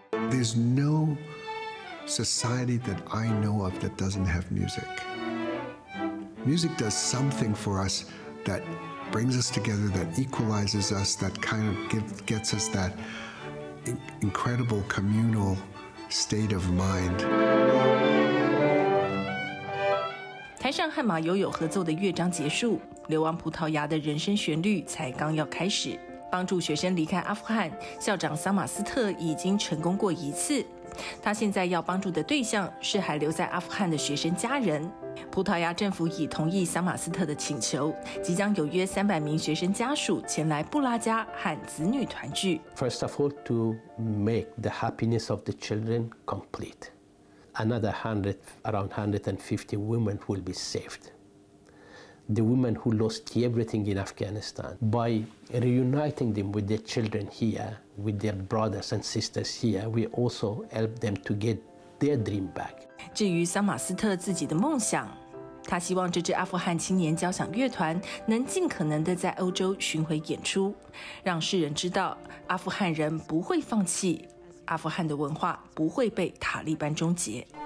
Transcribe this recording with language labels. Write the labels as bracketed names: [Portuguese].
[English] There's no society that I know of that doesn't have music. Music does something for us that brings us together, that equalizes us, that kind of gets us that incredible communal state of mind. [Chinese] 台上和马友友合奏的乐章结束，流亡葡萄牙的人生旋律才刚要开始。帮助学生离开阿富汗，校长桑马斯特已经成功过一次。他现在要帮助的对象是还留在阿富汗的学生家人。葡萄牙政府已同意桑马斯特的请求，即将有约300名学生家属前来布拉加和子女团聚。 [English] First of all, to make the happiness of the children complete, another 100, around 150 women will be saved. The women who lost everything in Afghanistan, by reuniting them with their children here, with their brothers and sisters here, we also help them to get their dream back. [Chinese] 至于桑马斯特自己的梦想，他希望这支阿富汗青年交响乐团能尽可能地在欧洲巡回演出，让世人知道阿富汗人不会放弃，阿富汗的文化不会被塔利班终结。